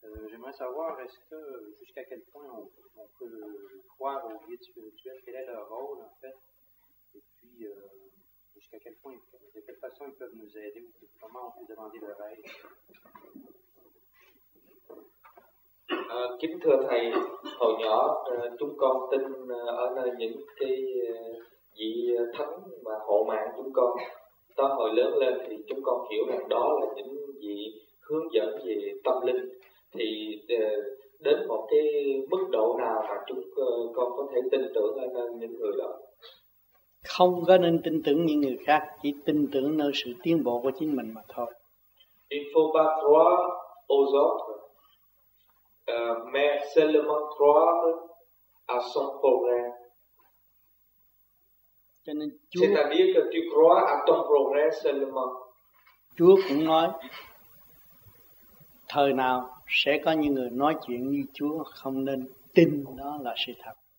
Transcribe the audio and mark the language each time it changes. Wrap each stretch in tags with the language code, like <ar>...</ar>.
<fr>J'aimerais savoir est-ce que jusqu'à quel point on peut croire aux guides spirituels, quel est leur rôle en fait, et puis jusqu'à quel point, de quelle façon ils peuvent nous aider, ou comment on peut demander leur aide.</fr> <vi>Kính thưa thầy, hồi nhỏ chúng con tin ở nơi những cái vị thánh mà hộ mạng chúng con. Ta hồi lớn lên thì chúng con hiểu rằng đó là những vị hướng dẫn về tâm linh. Thì đến một cái mức độ nào mà chúng con có thể tin tưởng ở những người đó? Không có nên tin tưởng những người khác, chỉ tin tưởng nơi sự tiến bộ của chính mình mà thôi.</vi> <fr>Il faut pas croire aux autres, mais seulement croire à son progrès.</fr> <vi>Cho nên</vi> <fr>c'est-à-dire que tu crois à ton progrès seulement.</fr> <vi>Chúa cũng nói thời nào sẽ có những người nói chuyện như Chúa, không nên tin đó là sự thật.</vi>